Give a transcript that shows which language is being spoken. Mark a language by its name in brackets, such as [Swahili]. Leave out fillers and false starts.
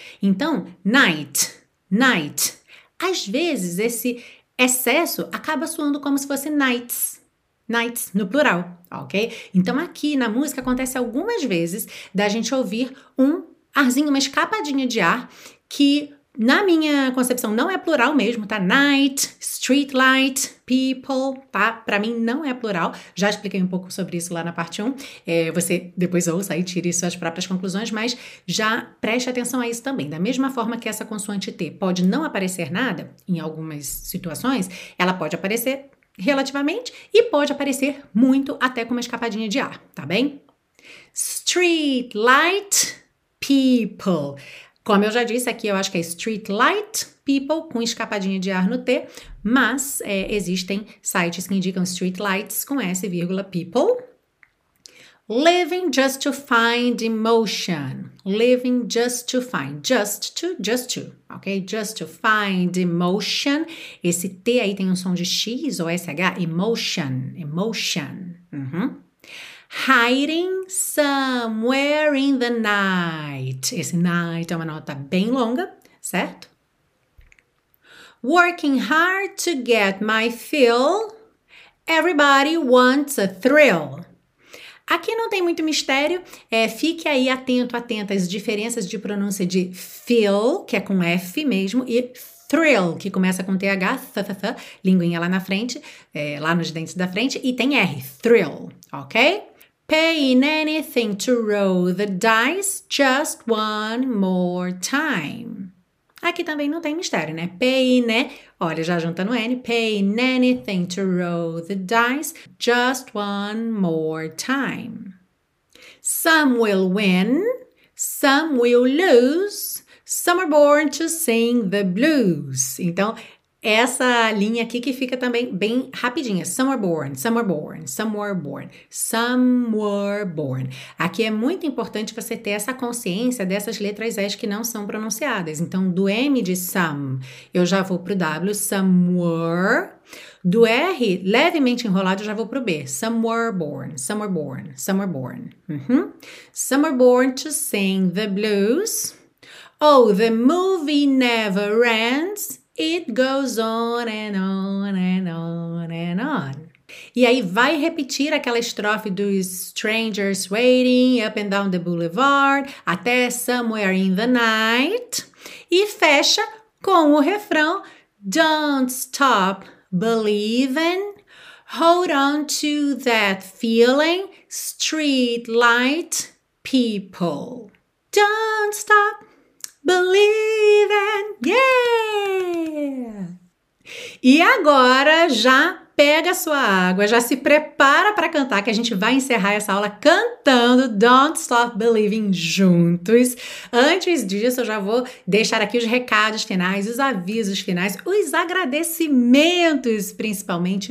[Portuguese] Então, night, night. Às vezes, esse excesso acaba soando como se fosse nights. Nights, no plural, ok? Então, aqui na música acontece algumas vezes da gente ouvir um arzinho, uma escapadinha de ar que... Na minha concepção, não é plural mesmo, tá? [English] Night, street light, people, tá? [Portuguese] Pra mim, não é plural. Já expliquei um pouco sobre isso lá na parte 1. Você depois ouça e tire suas próprias conclusões, mas já preste atenção a isso também. Da mesma forma que essa consoante T pode não aparecer nada em algumas situações, ela pode aparecer relativamente e pode aparecer muito até com uma escapadinha de ar, tá bem? [English] Street light, people. [Portuguese] Como eu já disse, aqui eu acho que é [English] street light people [Portuguese] com escapadinha de ar no T, mas existem sites que indicam street lights com S, people. [English] Living just to find emotion. Living just to find. Just to, ok? Just to find emotion. [Portuguese] Esse T aí tem um som de X ou SH? [English] Emotion, emotion. Uhum. Hiding somewhere in the night. [Portuguese] Esse night é uma nota bem longa, certo? [English] Working hard to get my fill. Everybody wants a thrill. [Portuguese] Aqui não tem muito mistério. Fique aí atento, atenta às diferenças de pronúncia de fill, que é com F mesmo, e thrill, que começa com TH, th, linguinha lá na frente, lá nos dentes da frente, e tem R, thrill, ok? [English] Paying anything to roll the dice just one more time. [Portuguese] Aqui também não tem mistério, né? Paying, né? Olha, já juntando N. [English] Paying anything to roll the dice just one more time. Some will win, some will lose. Some are born to sing the blues. [Portuguese] Então, Essa linha aqui que fica também bem rapidinha. [English] Some are born, some are born, some were born, some were born. [Portuguese] Aqui é muito importante você ter essa consciência dessas letras S que não são pronunciadas. Então, do M de some, eu já vou pro W, some were. Do R, levemente enrolado, eu já vou pro B. [English] Some were born, some were born, some were born. Some were born to sing the blues. Oh, the movie never ends. It goes on and on and on and on. [Portuguese] E aí vai repetir aquela estrofe dos [English] strangers waiting up and down the boulevard [Portuguese] até [English] somewhere in the night. [Portuguese] E fecha com o refrão: [English] Don't stop believing, hold on to that feeling, street light people. Don't stop believing, yeah! [Portuguese] E agora já pega sua água, já se prepara para cantar, que a gente vai encerrar essa aula cantando Don't Stop Believing juntos. Antes disso, eu já vou deixar aqui os recados finais, os avisos finais, os agradecimentos, principalmente.